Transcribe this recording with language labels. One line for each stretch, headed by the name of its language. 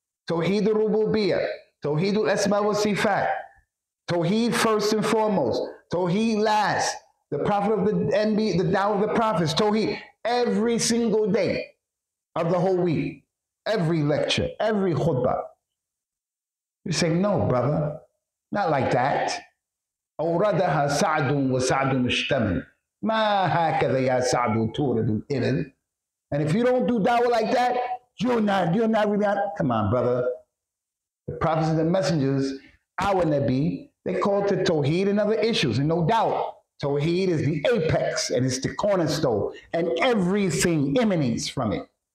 English: Tawheed al-rububiyyah, tawheed al-asma wa sifat. Tawheed first and foremost. Tawheed last. The prophet of the NBA, the Dawah of the Prophets. Tawheed every single day of the whole week. Every lecture, every khutbah. You say, no, brother, not like that.
Arabic: أوردها سعد وسعد مشتمل ما هكذا يا سعد تورد الإبل.
English: And if you don't do Dawah like that, you're not really not. Come on, brother. The prophets and the messengers, our Nabi, they call to Tawheed and other issues. And no doubt, Tawheed is the apex and it's the cornerstone and everything emanates from it.